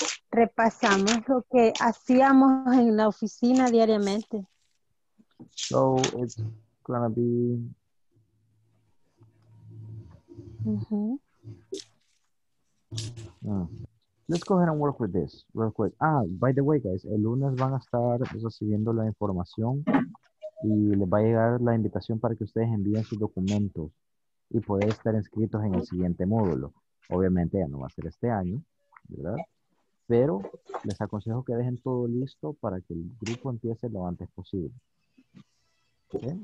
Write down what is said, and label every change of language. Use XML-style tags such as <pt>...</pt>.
<es>Repasamos lo que hacíamos en la oficina diariamente.</es> <en>So it's gonna be Let's go ahead and work with this real quick. Ah, by the way, guys,</en> <es>el lunes van a estar recibiendo la información y les va a llegar la invitación para que ustedes envíen sus documentos y poder estar inscritos en el siguiente módulo. Obviamente ya no va a ser este año, ¿verdad? Pero les aconsejo que dejen todo listo para que el grupo empiece lo antes posible. ¿Okay?</es>